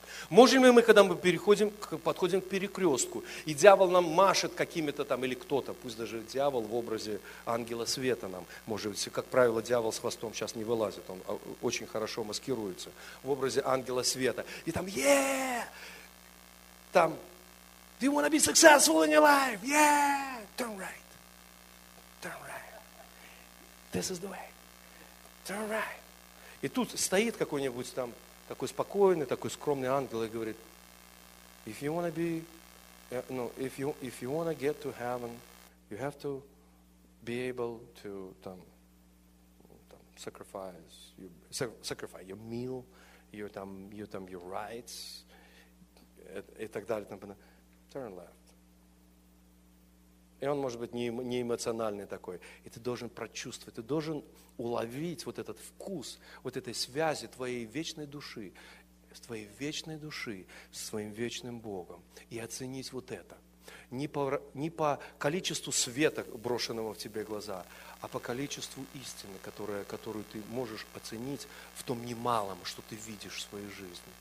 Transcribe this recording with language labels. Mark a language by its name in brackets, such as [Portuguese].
[Russian] Можем ли мы, когда мы переходим, подходим к перекрестку, и дьявол нам машет какими-то там, или кто-то, пусть даже дьявол в образе ангела света нам, может быть, как правило, дьявол с хвостом сейчас не вылазит, он очень хорошо маскируется в образе ангела света. И там, там, [English] do you want to be successful in your life? Yeah, turn right. Turn right. This is the way. Turn right. [Russian] И тут стоит какой-нибудь там, такой спокойный, такой скромный ангел и говорит, [English] if you want to be, no, if you want to get to heaven, you have to be able to sacrifice your meal, your rights, [Russian] и так далее. Там, [English] turn left. [Russian] И он может быть не эмоциональный такой. И ты должен прочувствовать, ты должен уловить вот этот вкус, вот этой связи твоей вечной души, с твоей вечной души, с своим вечным Богом. И оценить вот это. Не по количеству света, брошенного в тебе глаза, а по количеству истины, которую ты можешь оценить в том немалом, что ты видишь в своей жизни.